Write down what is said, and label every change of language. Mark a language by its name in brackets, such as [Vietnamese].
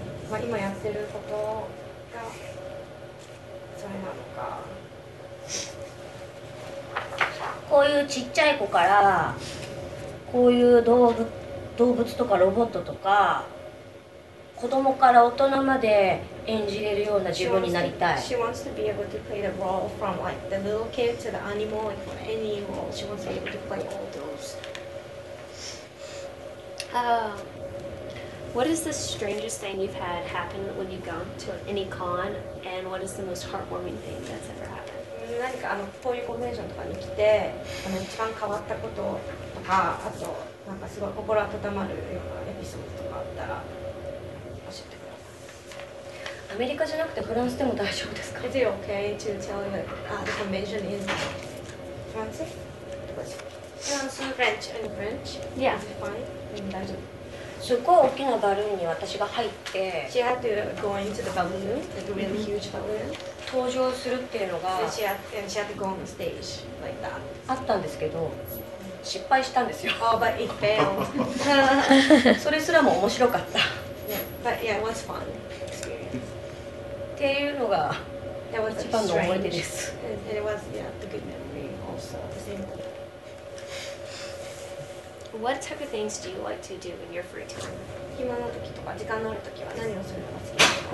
[Japanese] まあ、今やってることがそれなのか。こういうちっちゃい子からこういう動物とかロボットとか子供から大人まで演じれるような自分になりたい。 [English] She wants to be able to play the role from like the little kid to the animal, like for any role. She wants to be able to play all those. What is the strangest thing you've had happen when you've gone to any con? And what is the most heartwarming thing that's ever happened? [Japanese] 何かあのこういうコンベンションとかに来て、あの一番変わったこととか、あとなんかすごい心温まるようなエピソードとかあったら教えてください。アメリカじゃなくてフランスでも大丈夫ですか？ [English] Is it okay to tell you that the convention is France? France, French, and French. Yeah. Is it fine? [Japanese] 大丈夫。すごい大きなバルーンに私が入って [English] She had to go into the balloon, like a really huge balloon. [Japanese] 登場するっていうのが [English] she had, and she had to go on the stage like that. [Japanese] あったんですけど失敗したんですよ。 [English] Oh, but it failed. [Japanese] それすらも面白かった。 [English] Yeah, but yeah, it was fun experience. [Japanese] っていうのが一番の思い出です。 [English] And it was, yeah, the good memory also the same. What type of things do you like to do in your free time? [Japanese] 暇な時とか時間のある時は何をするのが好きですか？